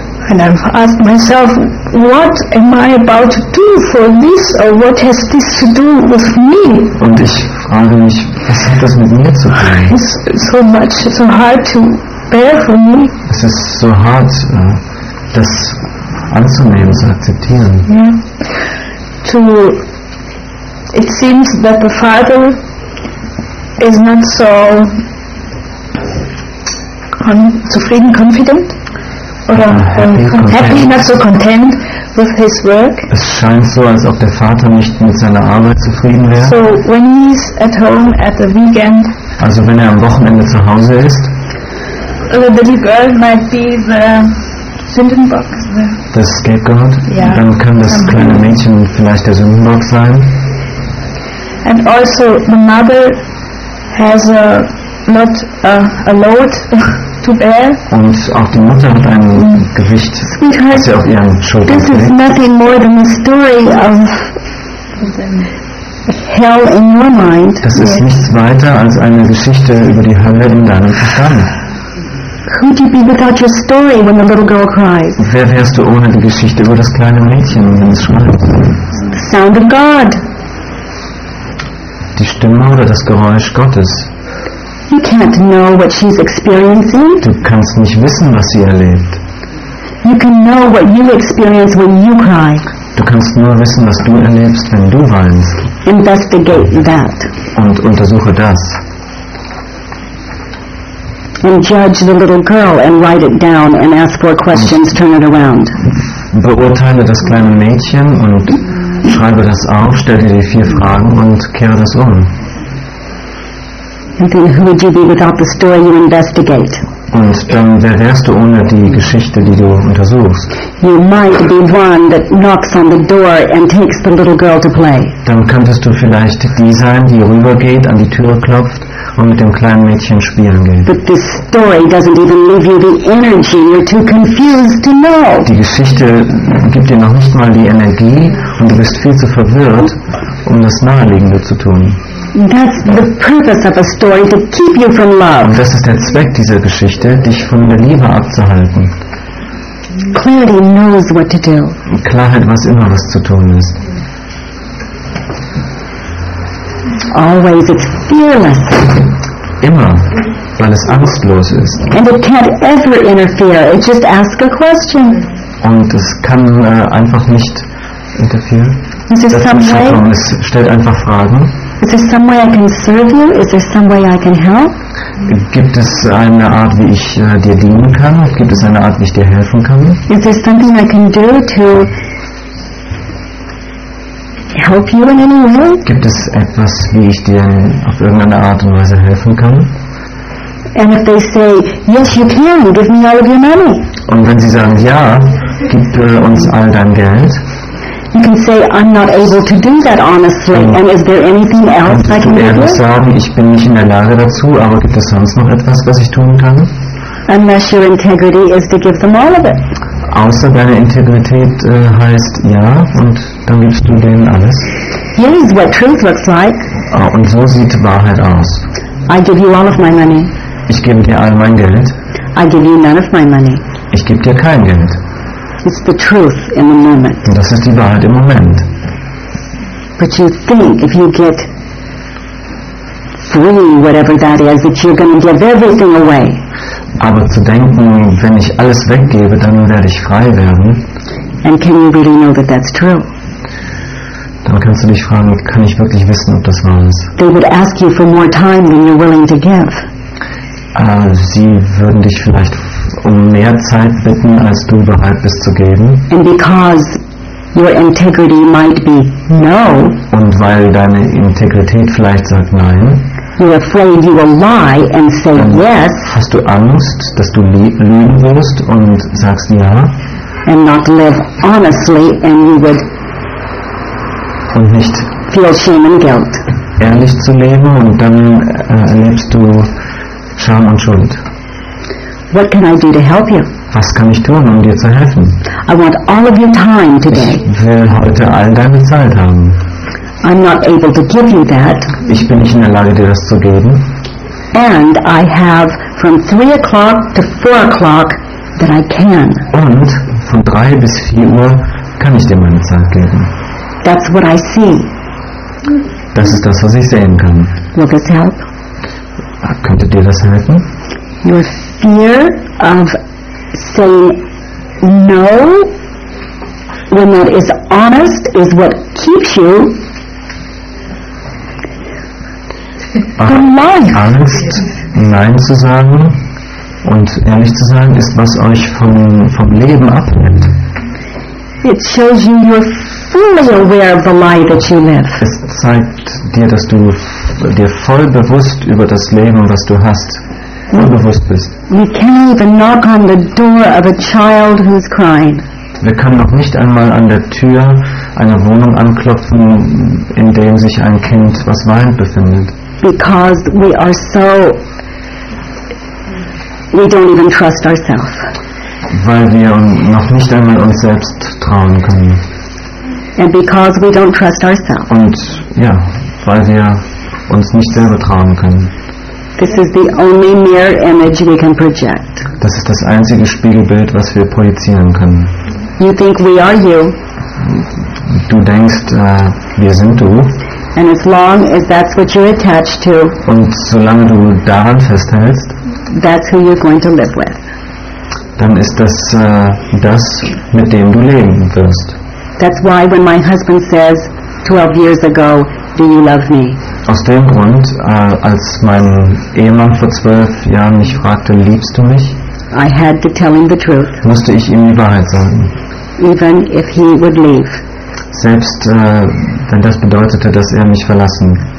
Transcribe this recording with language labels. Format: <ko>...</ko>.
<en>And I've asked myself, what am I about to do for this, or what has this to do with me?</en> <de>Und ich frage mich, was hat das mit mir zu tun?</de> <en>It's so much, so hard to bear for me.</en> <de>Es ist so hart, das anzunehmen, zu akzeptieren.</de> <en>Yeah. It seems that the father is not so</en> <de>zufrieden,</de> <en>confident.</en> <de>Oder</de> <en>happy, not so content with his work.</en> <de>Es scheint so, als ob der Vater nicht mit seiner Arbeit zufrieden wäre.</de> <en>So when he's at home at the weekend.</en> <de>Also wenn er am Wochenende zu Hause ist.</de> <en>The little girl might be the</en> <de>Sündenbock.</de> <en>The scapegoat. Yeah.</en> <de>Dann kann das kleine Mädchen vielleicht der Sündenbock sein.</de> <en>And also the mother has a load.</en> <de>Und auch die Mutter hat ein Gewicht, das sie auf ihren Schultern trägt.</de> <en>This is nothing more than a story of hell in your mind.</en> <de>Das ist nichts weiter als eine Geschichte über die Hölle in deinem Verstand.</de> <en>Who'd you be without your story when the little girl cries?</en> <de>Wer wärst du ohne die Geschichte über das kleine Mädchen, wenn es schreit?</de> <en>The sound of God.</en> <de>Die Stimme oder das Geräusch Gottes.</de> <en>You can't know what she's experiencing.</en> <de>Du kannst nicht wissen, was sie erlebt.</de> <en>You can know what you experience when you cry.</en> <de>Du kannst nur wissen, was du erlebst, wenn du weinst.</de> <en>Investigate that.</en> <de>Und untersuche das.</de> <en>And judge the little girl and write it down and ask for questions, turn it around.</en> <de>Beurteile das kleine Mädchen und schreibe das auf, stell dir die 4 Fragen und kehre das um.</de> <en>And then who would you be without the story you investigate?</en> <de>Und dann, wer wärst du ohne die Geschichte, die du untersuchst?</de> <en>You might be one that knocks on the door and takes the little girl to play.</en> <de>Dann könntest du vielleicht die sein, die rübergeht, an die Tür klopft und mit dem kleinen Mädchen spielen geht.</de> <en>But this story doesn't even leave you the energy. You're too confused to know.</en> <de>Die Geschichte gibt dir noch nicht mal die Energie und du bist viel zu verwirrt, um das Naheliegende zu tun.</de> <en>That's the purpose of a story, to keep you from love.</en> <de>Und das ist der Zweck dieser Geschichte, dich von der Liebe abzuhalten.</de> <en>Clarity knows what to do.</en> <de>Klarheit weiß immer, was zu tun ist.</de> <en>Always it's fearless.</en> <de>Immer, weil es angstlos ist.</de> <en>And it can't ever interfere. It just asks a question.</en> <de>Und es kann einfach nicht interferieren.</de> <en>Is there some way?</en> <de>Es stellt einfach Fragen.</de> <en>Is there some way I can serve you? Is there some way I can help?</en> <de>Gibt es eine Art, wie ich dir dienen kann? Gibt es eine Art, wie ich dir helfen kann?</de> <en>Is there something I can do to help you in any way?</en> <de>Gibt es etwas, wie ich dir auf irgendeine Art und Weise helfen kann?</de> <en>And if they say, yes, you can, give me all of your money.</en> <de>Und wenn sie sagen, ja, gib uns all dein Geld.</de> <en>You can say, I'm not able to do that honestly, and is there anything else I can do?</en> <de>Kannst du ehrlich sagen, ich bin nicht in der Lage dazu, aber gibt es sonst noch etwas, was ich tun kann?</de> <en>Unless your integrity is to give them all of it.</en> <de>Außer deine Integrität heißt ja, und dann gibst du denen alles.</de> <en>Here's what truth looks like.</en> <de>Und so sieht Wahrheit aus.</de> <en>I give you all of my money.</en> <de>Ich gebe dir all mein Geld.</de> <en>I give you none of my money.</en> <de>Ich gebe dir kein Geld.</de> <en>It's the truth in the moment.</en> <de>Und das ist die Wahrheit im Moment.</de> <en>But you think if you get free, whatever that is, that you're going to give everything away.</en> <de>Aber zu denken, wenn ich alles weggebe, dann werde ich frei werden.</de> <en>And can you really know that that's true?</en> <de>Dann kannst du dich fragen, kann ich wirklich wissen, ob das wahr ist?</de> <en>They would ask you for more time than you're willing to give.</en> <de>Sie würden dich vielleicht um mehr Zeit bitten, als du bereit bist zu geben.</de> <en>And because your integrity might be no.</en> <de>Und weil deine Integrität vielleicht sagt nein.</de> <en>You're afraid you will lie and say yes.</en> <de>Hast du Angst, dass du lügen wirst und sagst ja?</de> <en>And not live honestly, and you would.</en> <de>Und nicht.</de> <en>Feel shame and guilt.</en> <de>Ehrlich zu leben und dann erlebst du Scham und Schuld.</de> <en>What can I do to help you?</en> <de>Was kann ich tun, um dir zu helfen?</de> <en>I want all of your time today.</en> <de>Ich will heute all deine Zeit haben.</de> <en>I'm not able to give you that.</en> <de>Ich bin nicht in der Lage, dir das zu geben.</de> <en>And I have from 3 o'clock to 4 o'clock that I can.</en> <de>Und von 3 bis 4 Uhr kann ich dir meine Zeit geben.</de> <en>That's what I see.</en> <de>Das ist das, was ich sehen kann.</de> <en>Will this help?</en> <de>Könnte dir das helfen?</de> <en>Your fear of saying no when that is honest is what keeps you.</en> <de>Angst, Nein zu sagen und ehrlich zu sagen, ist, was euch vom Leben abhält.</de> <en>It shows you you're fully aware of the lie that you live.</en> <de>Es zeigt dir, dass du dir voll bewusst über das Leben, was du hast, voll bewusst bist.</de> <en>We can't even knock on the door of a child who's crying.</en> <de>Wir können noch nicht einmal an der Tür einer Wohnung anklopfen, in dem sich ein Kind, was weint, befindet.</de> <en>Because we are so, we don't even trust ourselves.</en> <de>Weil wir noch nicht einmal uns selbst trauen können.</de> <en>And because we don't trust ourselves.</en> <de>Und ja, weil wir uns nicht selber trauen können.</de> <en>This is the only mirror image we can project.</en> <de>Das ist das einzige Spiegelbild, was wir projizieren können.</de> <en>You think we are you.</en> <de>Du denkst, wir sind du.</de> <en>And as long as that's what you're attached to,</en> <de>und solange du daran festhältst,</de> <en>that's who you're going to live with.</en> <de>Dann ist das das, mit dem du leben wirst.</de> <en>That's why when my husband says 12 years ago, do you love me?</en> <de>Aus dem Grund, als mein Ehemann vor 12 Jahren mich fragte, liebst du mich?</de> <en>I had to tell him the truth.</en> <de>Musste ich ihm die Wahrheit sagen.</de> <en>Even if he would leave.</en> <de>Selbst wenn das bedeutete, dass er mich verlassen.</de>